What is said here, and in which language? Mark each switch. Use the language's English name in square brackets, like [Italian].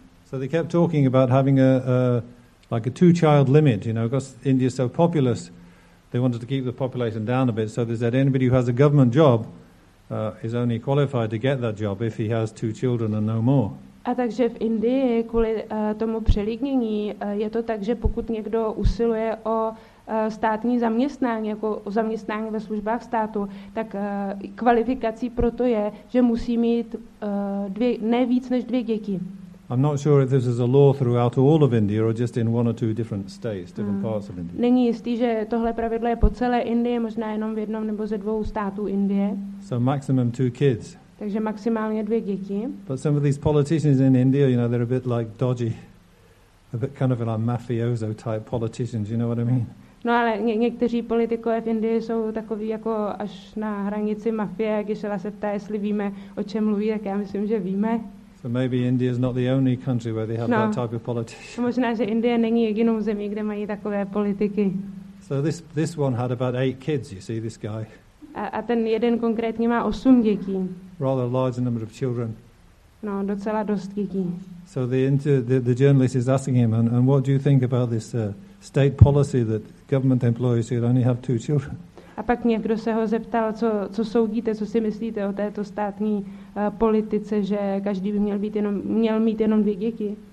[English] So they kept talking about having a two-child limit, because India is so populous, they wanted to keep the population down a bit. So they said anybody who has a government job is only qualified to get that job if he has two children and no more. [Czech] A takže v Indii kvůli tomu přelidnění je to tak, že pokud někdo usiluje o státní zaměstnání, jako o zaměstnání ve službách státu, tak kvalifikací pro to je, že musí mít ne víc než dvě děti. [English] I'm not sure if this is a law throughout all of India or just in one or two different states, different parts of India. [Czech] Není jistý, že tohle pravidlo je po celé Indii, možná jenom v jednom nebo ze dvou států Indie. [English] So maximum two kids. [Czech] Takže maximálně dvě děti. [English] But some of these politicians in India, you know, they're a bit like dodgy, a bit kind of like mafioso type politicians, you know what I mean? [Czech] No ale někteří politikové v Indii jsou takový jako až na hranici mafie, když se ptá, jestli víme, o čem mluví, tak já myslím, že víme. [English] So maybe India is not the only country where they have that type of politics. [Czech] Možná, že Indie není jedinou zemí, kde mají takové politiky. [English] So this one had about eight kids, you see, this guy. [Czech] A ten jeden konkrétně má 8 dětí. [English] Rather large number of children. [Czech] No, docela dost dětí. [English] So the journalist is asking him, and what do you think about this state policy that government employees should only have two children? [Czech] A pak někdo se ho zeptal, co soudíte, co si myslíte o této státní politice, že každý by měl mít jenom dvě děti.